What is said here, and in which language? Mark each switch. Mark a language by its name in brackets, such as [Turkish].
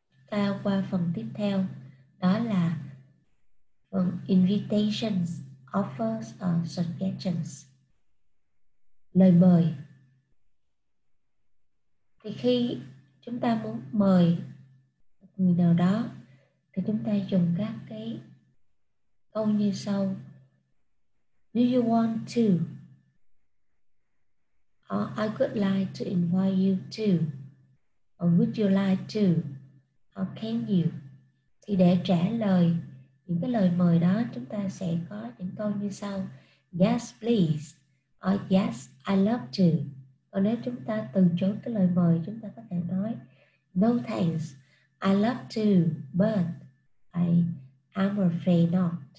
[Vietnamese] Ta qua phần tiếp theo, đó là phần [English] invitations, offers or suggestions, [Vietnamese] lời mời. Thì khi chúng ta muốn mời một người nào đó thì chúng ta dùng các cái câu như sau: [English] Do you want to? Or I would like to invite you to. Or would you like to? Or can you? [Vietnamese] Thì để trả lời những cái lời mời đó, chúng ta sẽ có những câu như sau: [English] Yes, please. Or yes, I love to. [Vietnamese] Còn nếu chúng ta từ chối cái lời mời, chúng ta có thể nói: [English] No thanks, I love to, but I'm afraid not.